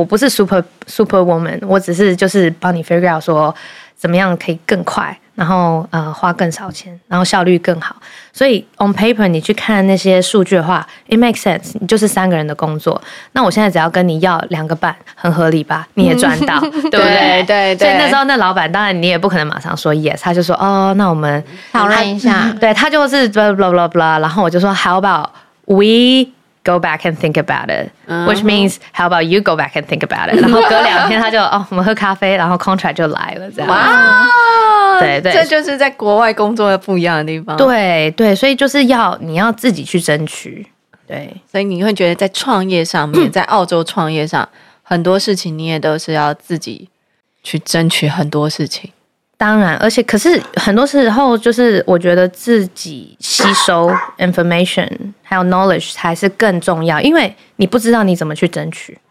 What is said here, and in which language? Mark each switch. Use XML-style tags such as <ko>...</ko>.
<zh>我不是 superwoman， 我只是就是帮你</zh> <en>figure out</en> <zh>说怎么样可以更快，然后花更少钱，然后效率更好。所以</zh> <en>on paper</en> <zh>你去看那些数据的话 ，</zh> <en>it makes sense，</en> <zh>你就是3个人的工作。那我现在只要跟你要2.5，很合理吧？你也赚到，对不对？对对对。所以那时候那老板当然你也不可能马上说 yes， 他就说哦，那我们讨论一下。对他就是</zh> <en>blah blah blah blah，</en> <zh>然后我就说</zh> <en>how about we go back and think about it，</en> <zh>which means how about you go back and think about it？ 然后隔2天他就哦，我们喝咖啡，然后 contract 就来了，这样。哇、wow!。对对，这就是在国外工作的不一样的地方。对对，所以就是要你要自己去争取。对，所以你会觉得在创业上面，在澳洲创业上，很多事情你也都是要自己去争取很多事情。当然，而且可是很多时候就是我觉得自己吸收 information 还有 knowledge 才是更重要，因为你不知道你怎么去争取。</zh>